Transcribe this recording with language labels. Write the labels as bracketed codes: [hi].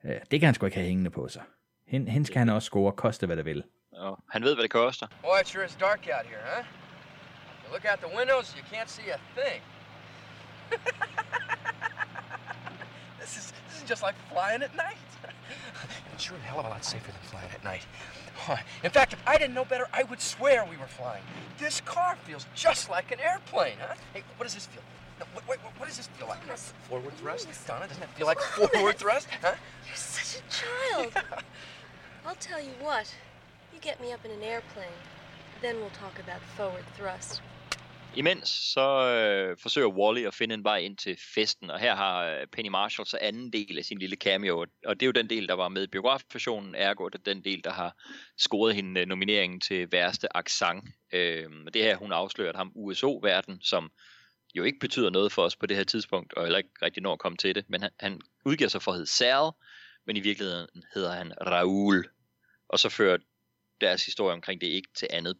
[da] Det kan han sgu ikke have hængende på sig. Hende skal han også score, koste hvad det vil. Oh, han ved, hvad det koster. [en] Boy, it sure is dark out here, huh? You look out the windows, you can't see a thing. This is just like flying at night. It sure is a hell of a lot safer than flying at night. In fact, if I didn't know better, I would swear we were flying. This car feels just like an airplane, huh? Hey, what does this feel? No, what does this feel like? Thomas. Forward thrust? Thomas. Donna, doesn't that feel like Thomas. Forward thrust, huh? You're such a child. Yeah. I'll tell you what. You get me up in an airplane, then we'll talk about forward thrust. [da] Imens så forsøger Wally at finde en vej ind til festen, og her har Penny Marshall så anden del af sin lille cameo, og det er jo den del, der var med i biografversionen, ergo det er den del, der har scoret hende nomineringen til værste accent. Det her, hun afslører ham USO-verden, som jo ikke betyder noget for os på det her tidspunkt, og heller ikke rigtig når at komme til det, men han udgiver sig for at hedde Sal, men i virkeligheden hedder han Raoul, og så fører deres historie omkring det ikke til andet.